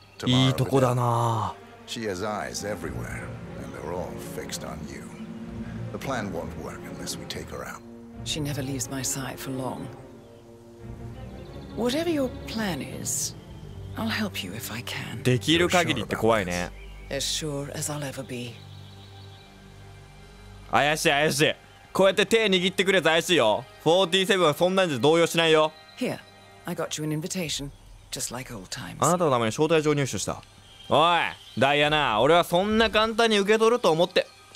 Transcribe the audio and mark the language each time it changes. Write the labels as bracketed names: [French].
[Japanese] いいとこだな。 [English] She has eyes everywhere, and they're all fixed on you. The plan won't work unless we take her out. She never leaves my side for long. Whatever your plan is, I'll help you if I can. [Japanese] できる限りって怖いね。 [English] As sure as I'll ever be. [Japanese] 怪しい怪しい。こうやって手握ってくれず怪しいよ。47はそんなんじゃ動揺しないよ。 [English] Here, I got you an invitation, just like old times. [Japanese] あなたのために招待状入手した。おい、ダイアナ、俺はそんな簡単に受け取ると思って。